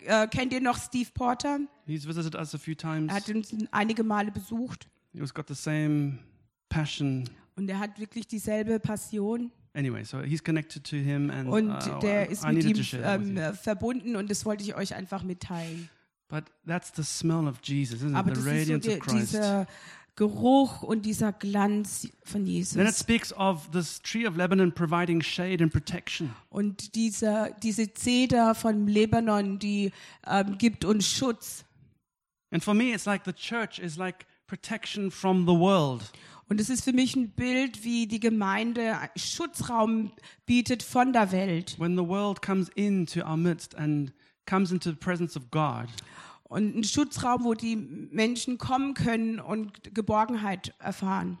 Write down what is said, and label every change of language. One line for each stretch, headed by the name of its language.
German: Kennt ihr noch Steve Porter?
English: He's visited us a few times.
German: Er hat uns einige Male besucht.
English: He's got the same passion.
German: Und er hat wirklich dieselbe Passion.
English: Anyway, so he's connected to him and
German: verbunden und das wollte ich euch einfach mitteilen.
English: But that's the smell of Jesus, isn't it? The radiance of Christ.
German: Dieser Geruch und dieser Glanz von Jesus.
English: Then it speaks of this tree of Lebanon providing shade and protection.
German: Und diese Zeder von Lebanon, die gibt uns Schutz.
English: And for me it's like the church is like protection from the world.
German: Und es ist für mich ein Bild, wie die Gemeinde Schutzraum bietet von der Welt.
English: When the world comes into our midst and comes into the presence of God.
German: Und ein Schutzraum, wo die Menschen kommen können und Geborgenheit erfahren.